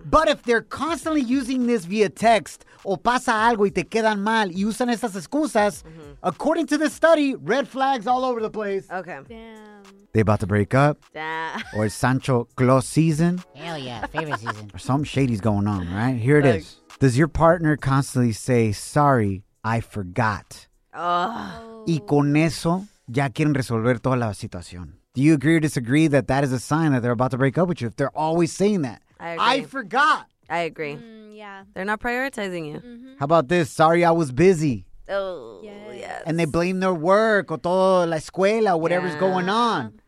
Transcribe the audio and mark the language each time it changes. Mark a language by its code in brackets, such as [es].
[en] But if they're constantly using this via text, [es] o pasa algo y te quedan mal, y usan esas excusas, [en] according to this study, red flags all over the place. Okay. Damn. They about to break up. Damn. Or is Sancho Claus season? Hell yeah, favorite season. Or something shady's going on, right? Here it is. Does your partner constantly say, sorry, I forgot? Oh. [es] Y con eso ya quieren resolver toda la situación. [en] Do you agree or disagree that that is a sign that they're about to break up with you if they're always saying that? I agree. I forgot. I agree. Yeah. They're not prioritizing you. How about this? Sorry, I was busy. Oh, yes. And they blame their work or [es] todo la escuela, [en] whatever's going on.